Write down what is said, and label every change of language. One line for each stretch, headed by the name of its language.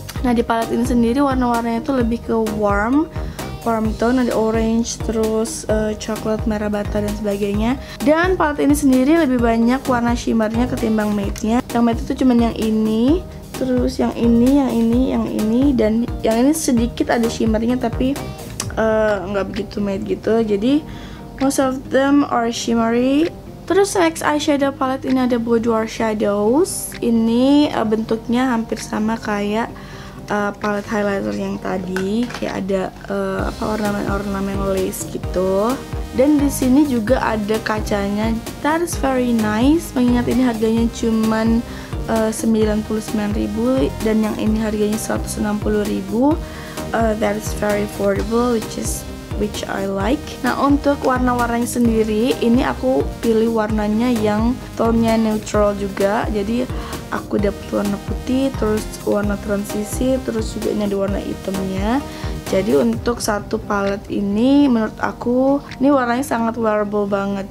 Indonesian: Nah, di palette ini sendiri warna-warnanya tuh lebih ke warm tone, ada orange, terus coklat, merah bata dan sebagainya. Dan palette ini sendiri lebih banyak warna shimmernya ketimbang matte-nya. Yang matte itu cuman yang ini, terus yang ini, yang ini, yang ini, dan yang ini sedikit ada shimmernya tapi nggak begitu matte gitu.
English: Jadi most of them are shimmery.
Indonesian: Terus next eyeshadow palette ini ada Boudoir Shadows. Ini bentuknya hampir sama kayak palette highlighter yang tadi, kayak ada ornamen-ornamen lace gitu. Dan di sini juga ada kacanya.
English: That is very nice.
Indonesian: Mengingat ini harganya cuman Rp99.000 dan yang ini harganya Rp160.000.
English: That is very affordable, which I like.
Indonesian: Nah, untuk warna-warnanya sendiri, ini aku pilih warnanya yang tone-nya neutral juga. Jadi aku dapet warna putih, terus warna transisi, terus juga ini ada warna hitamnya. Jadi untuk satu palette ini, menurut aku ini warnanya sangat wearable banget.